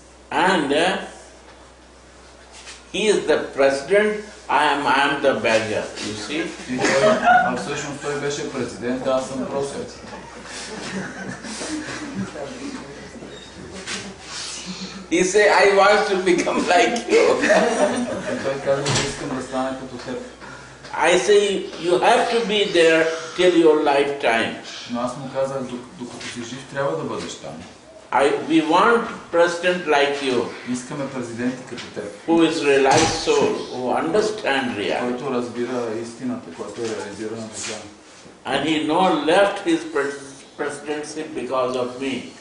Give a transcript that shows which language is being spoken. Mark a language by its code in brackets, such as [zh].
[en] And he is the president. I am the beggar. You see? [bg] Всъщност той беше президент, аз съм просвет. [en] He say, I want to become like you. [bg] Той казва, че искам да стане като теб. [en] I say, you have to be there till your lifetime. [bg] Но аз му казах, докато си жив, трябва да бъдеш там. [en] We want president like you. [bg] Искаме президенти като теб. [en] Who is realized soul, who understand reality. [bg] Който разбира истината, която е реализирана така. [en] And he not left his presidency because of me.